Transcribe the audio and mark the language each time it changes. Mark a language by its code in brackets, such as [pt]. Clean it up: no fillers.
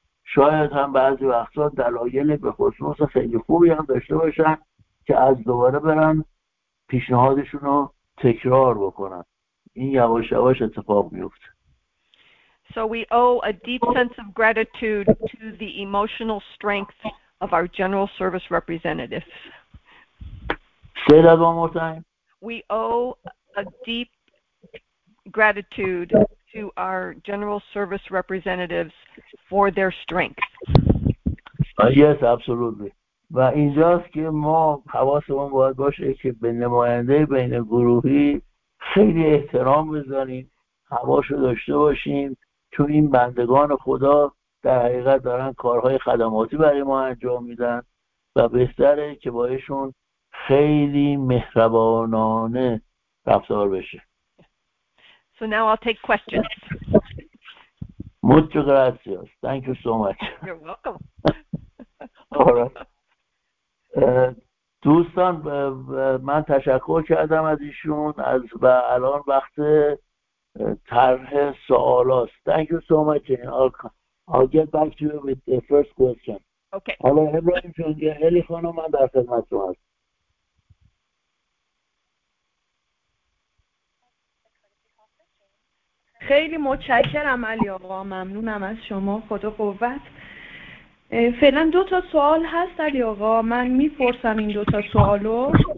[fa] شاید هم بعضی وقتا دلایل به خصوص خیلی خوبی هم داشته باشن که از دوباره برن پیشنهادشون رو تکرار بکنن. این یواش یواش اتفاق میفته. [en] So we owe a deep sense of gratitude to the emotional strength of our general service representatives. Say that one more time. We owe a deep gratitude to our general service representatives for their strength. Yes, absolutely. [fa] و اینجاست که ما حواسمون باید باشه که به نماینده بین گروهی خیلی احترام بذاریم، حواسو داشته باشیم، چون این بندگان خدا در حقیقت دارن کارهای خدماتی برای ما انجام میدن و بهتره که بایشون خیلی مهربانانه رفتار بشه. [en] So now I'll take questions. [es] Muchas gracias. [en] Thank you so much. You're welcome. [fa] دوستان من تشکر کردم از ایشون و الان وقته طرح سوال است. [en] Thank you so much. I'll get back to you with the first question. Okay. [fa] حالا ابراهیم جان یا الی خانم من در خدمت شما هستم. خیلی متشکرم علی آقا، ممنونم از شما، خدا قوت. فعلا دو تا سوال هست علی آقا، من میپرسم این دو تا سوالو.